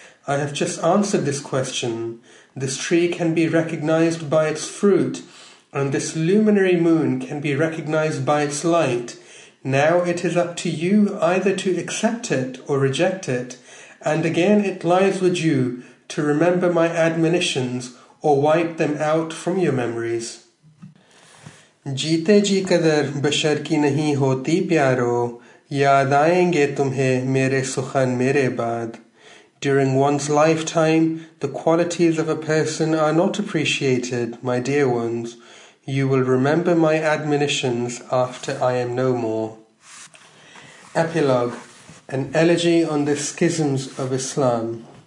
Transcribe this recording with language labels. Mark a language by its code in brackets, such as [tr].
[en] I have just answered this question. This tree can be recognized by its fruit, and this luminary moon can be recognized by its light. Now it is up to you either to accept it or reject it. And again it lies with you to remember my admonitions or wipe them out from your memories. [hi] जीते जी कदर बशर की नहीं होती प्यारो, याद आएंगे तुम्हें मेरे सुखन मेरे बाद. [en] During one's lifetime, the qualities of a person are not appreciated, my dear ones. You will remember my admonitions after I am no more. Epilogue, an elegy on the schisms of Islam.